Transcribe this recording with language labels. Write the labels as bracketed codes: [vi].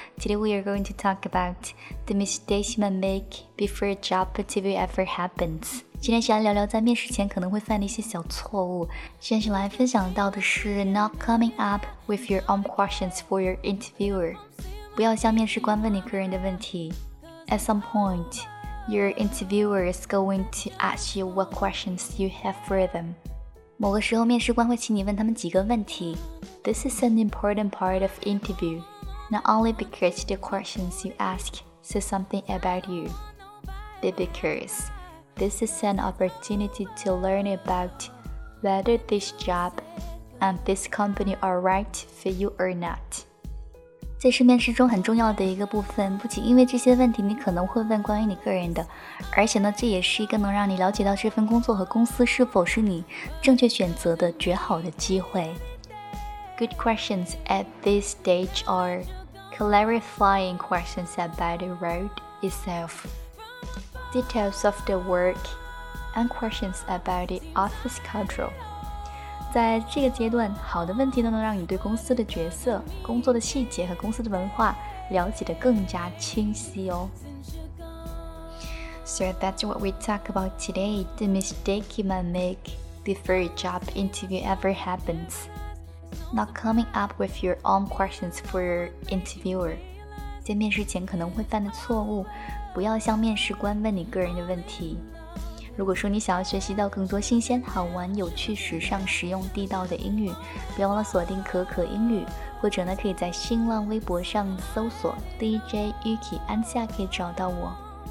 [en] Today we are going to talk about the mistakes you might make before a job interview ever happens. [zh] 今天想聊聊在面试前可能会犯的一些小错误。今天来分享到的是 [en] not coming up with your own questions for your interviewer. [zh] 不要向面试官问你个人的问题。 [en] At some point, your interviewer is going to ask you what questions you have for them. [zh] 某个时候面试官会请你问他们几个问题。 [en] This is an important part of interview, not only because the questions you ask say something about you, but because this is an opportunity to learn about whether this job and this company are right for you or not. [zh] 这是面试中很重要的一个部分，不仅因为这些问题你可能会问关于你个人的，而且呢，这也是一个能让你了解到这份工作和公司是否是你正确选择的绝好的机会。 [en] Good questions at this stage are clarifying questions about the role itself, details of the work, and questions about the office control. [zh] 在这个阶段，好的问题呢能让你对公司的角色、工作的细节和公司的文化了解得更加清晰哦。 [en] So that's what we talk about today, the mistake you might make before a job interview ever happens. Not coming up with your own questions for your interviewer. [zh] 在面试前可能会犯的错误，不要向面试官问你个人的问题。如果说你想要学习到更多新鲜、好玩、有趣、时尚、实用、地道的英语，不要忘了锁定可可英语，或者呢，可以在新浪微博上搜索 DJ Yuki 安夏，可以找到我。